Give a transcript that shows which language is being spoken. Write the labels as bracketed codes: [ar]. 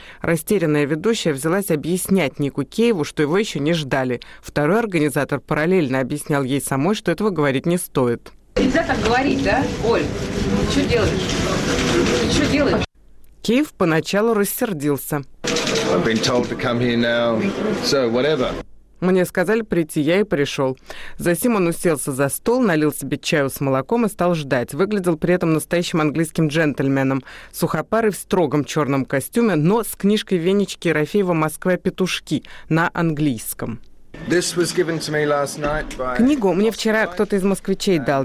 [ru] Растерянная ведущая взялась объяснять Нику Кейву, что его еще не ждали. Второй организатор параллельно объяснял ей самой, что этого говорить не стоит. Нельзя так говорить, да, Оль? Что делать? Что делать? Кейв поначалу рассердился. [en] I've been told to come here now. So, whatever. [ru] Мне сказали прийти, я и пришел. Затем он уселся за стол, налил себе чаю с молоком и стал ждать. Выглядел при этом настоящим английским джентльменом. Сухопарый в строгом черном костюме, но с книжкой Венечки Ерофеева «Москва. Петушки» на английском. Книгу мне вчера кто-то из москвичей дал.